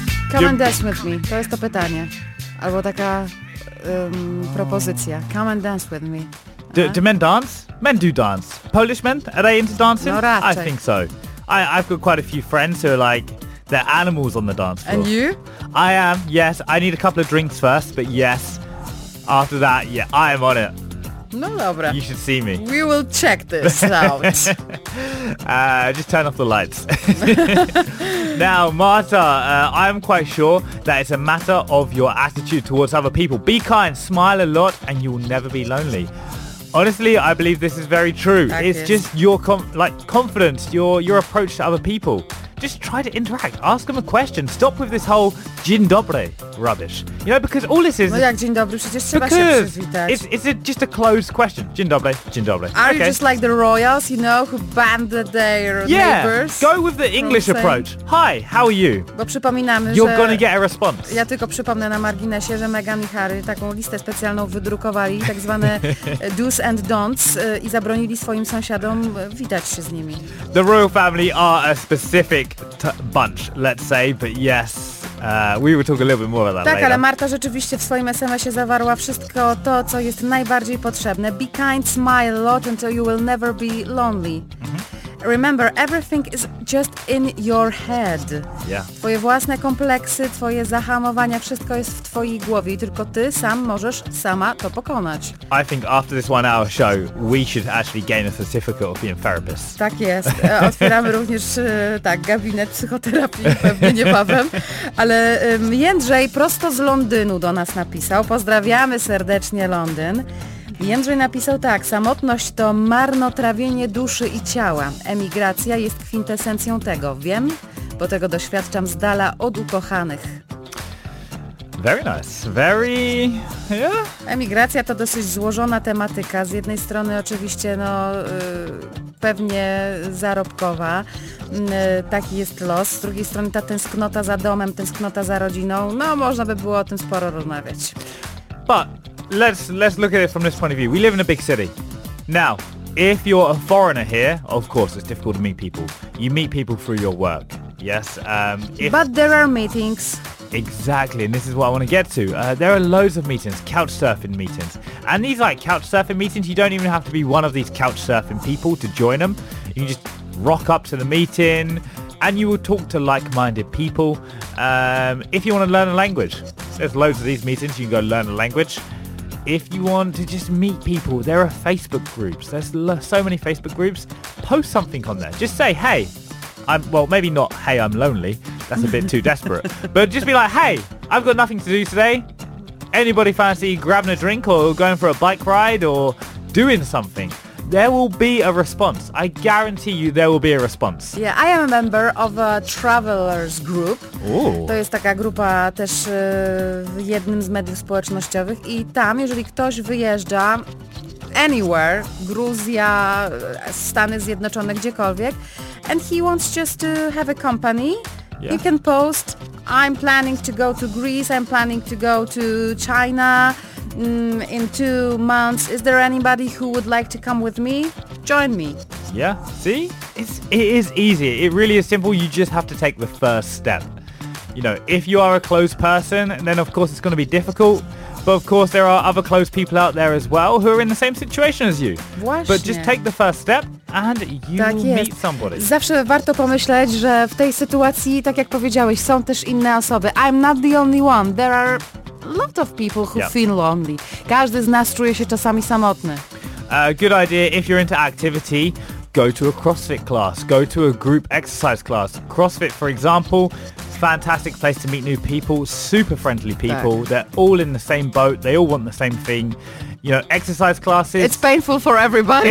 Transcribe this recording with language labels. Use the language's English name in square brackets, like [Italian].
[English] Come and dance with me, [Polish] to jest to pytanie, albo taka propozycja. [English] Come and dance with me. Do men dance? Men do dance. Polish men, are they into dancing? [Polish] No, raczej. [English] I think so. I've got quite a few friends who are like, they're animals on the dance floor. And you? I am, yes. I need a couple of drinks first, but yes, after that, yeah, I am on it. [Polish] No dobra. [English] You should see me. We will check this out. Just turn off the lights. Now, Marta, I'm quite sure that it's a matter of your attitude towards other people. Be kind, smile a lot, and you'll never be lonely. Honestly, I believe this is very true. It's just your confidence, your approach to other people. Just try to interact. Ask them a question. Stop with this whole dzień dobry rubbish. You know, because all this is... [Polish] No jak dzień dobry, przecież trzeba się przywitać. [English] It's just a closed question. [Polish] Dzień dobry, dzień dobry. [English] Are you just like the royals, you know, who banned their neighbors? Yeah, go with the English approach. Hi, how are you? [Polish] Bo przypominamy, [English] you're gonna get a response. [Polish] Ja tylko przypomnę na marginesie, że Meghan i Harry taką listę specjalną wydrukowali, tak zwane [English] do's and don'ts [Polish] i zabronili swoim sąsiadom witać się z nimi. [English] The royal family are a specific bunch, let's say, but yes, we will talk a little bit more about that. [Polish] Tak, [English] later. [Polish] Ale Marta rzeczywiście w swoim SMS-ie zawarła wszystko to, co jest najbardziej potrzebne. [English] Be kind, smile a lot until you will never be lonely. Mm-hmm. Remember, everything is just in your head. Yeah. [Polish] Twoje własne kompleksy, twoje zahamowania, wszystko jest w twojej głowie, tylko ty sam możesz sama to pokonać. [English] I think after this 1 hour show, we should actually gain a certificate of being therapists. [Polish] Tak jest. Otwieramy również tak, gabinet psychoterapii, pewnie niebawem. Ale Jędrzej prosto z Londynu do nas napisał. Pozdrawiamy serdecznie Londyn. Jędrzej napisał tak, samotność to marnotrawienie duszy i ciała. Emigracja jest kwintesencją tego. Wiem, bo tego doświadczam z dala od ukochanych. [English] Very nice. Very... Yeah. [Polish] Emigracja to dosyć złożona tematyka. Z jednej strony oczywiście no, pewnie zarobkowa. Taki jest los. Z drugiej strony ta tęsknota za domem, tęsknota za rodziną. No, można by było o tym sporo rozmawiać. [English] But let's look at it from this point of view. We live in a big city. Now, if you're a foreigner here, of course, it's difficult to meet people. You meet people through your work. Yes. But there are meetings. Exactly, and this is what I want to get to. There are loads of meetings, couch surfing meetings. And these like couch surfing meetings, you don't even have to be one of these couch surfing people to join them. You can just rock up to the meeting and you will talk to like-minded people. If you want to learn a language, there's loads of these meetings, you can go learn a language. If you want to just meet people, there are Facebook groups. There's so many Facebook groups. Post something on there. Just say, hey, I'm, well, maybe not, hey, I'm lonely. That's a bit too desperate. But just be like, hey, I've got nothing to do today. Anybody fancy grabbing a drink or going for a bike ride or doing something? There will be a response. I guarantee you there will be a response. Yeah, I am a member of a travelers group. Ooh. [Polish] To jest taka grupa też w jednym z mediów społecznościowych. I tam, jeżeli ktoś wyjeżdża [English] anywhere, [Polish] Gruzja, Stany Zjednoczone, gdziekolwiek, [English] and he wants just to have a company, yeah, you can post, I'm planning to go to Greece, I'm planning to go to China in 2 months. Is there anybody who would like to come with me? Join me. Yeah, see? It is easy. It really is simple. You just have to take the first step. You know, if you are a closed person, then of course it's going to be difficult. But of course there are other closed people out there as well who are in the same situation as you. [Polish] Właśnie. [English] But just take the first step and you [Polish] tak [English] will meet somebody. [Polish] Zawsze warto pomyśleć, że w tej sytuacji, tak jak powiedziałeś, są też inne osoby. [English] I'm not the only one. There are lot of people who yep. feel lonely. [Polish] Każdy z nas czuje się czasami samotny. [English] Good idea if you're into activity. Go to a CrossFit class. Go to a group exercise class. CrossFit, for example, fantastic place to meet new people. Super friendly people. [Polish] Tak. [English] They're all in the same boat. They all want the same thing. You know, exercise classes. It's painful for everybody.